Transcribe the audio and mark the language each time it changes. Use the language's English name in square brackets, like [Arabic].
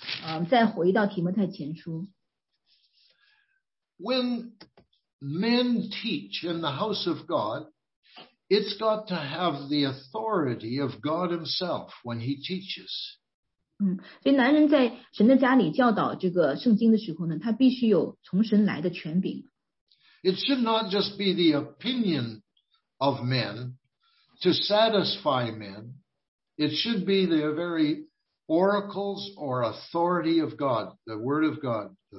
[Chinese] 那下一点呢，我们要讲在教义方面男人的职责，再回到提摩太前书。 [English] When men teach in the house of God, it's got to have the authority of God himself when he teaches. [Chinese] 所以男人在神的家里教导这个圣经的时候呢，他必须有从神来的权柄。 [English] It should not just be the opinion of men to satisfy men. It should be the very oracles or authority of God, the word of God.